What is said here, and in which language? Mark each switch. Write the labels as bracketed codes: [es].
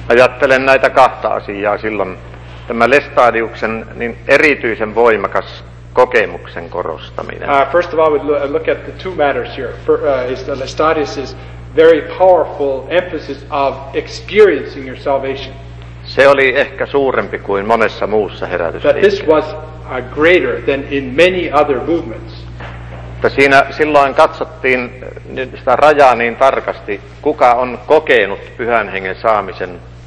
[fi] Ajattelen näitä kahta asiaa silloin. Tämä Lestadiuksen niin erityisen voimakas kokemuksen korostaminen. [en] First of all, we look at the two matters here. Is the Lestadius's very powerful emphasis of experiencing your salvation. [fi] Se oli ehkä suurempi kuin monessa muussa herätyksessä. [en] That this was greater than in many other movements. [fi] Mutta siinä silloin katsottiin sitä rajaa niin tarkasti, kuka on kokenut Pyhän Hengen saamisen.